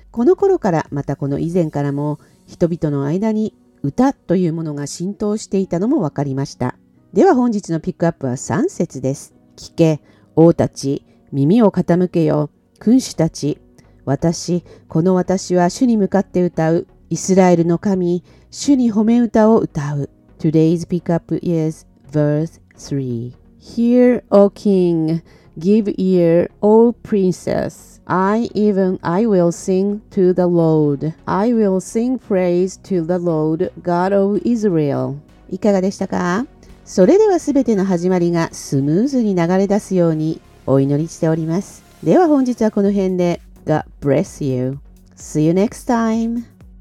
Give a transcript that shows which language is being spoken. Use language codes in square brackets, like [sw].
[ja] この頃から、またこの以前からも、人々の間に歌というものが浸透していたのも分かりました。では本日のピックアップは3節です。聞け王たち、耳を傾けよ君主たち。私、この私は主に向かって歌う。イスラエルの神、主に褒め歌を歌う。 [en] Today's pick up is verse 3. Hear, O King, give ear, O princess. I will sing to the Lord. I will sing praise to the Lord, God of Israel. [ja] いかがでしたか。それではすべての始まりがスムーズに流れ出すようにお祈りしております。では本日はこの辺で [en] God bless you. See you next time.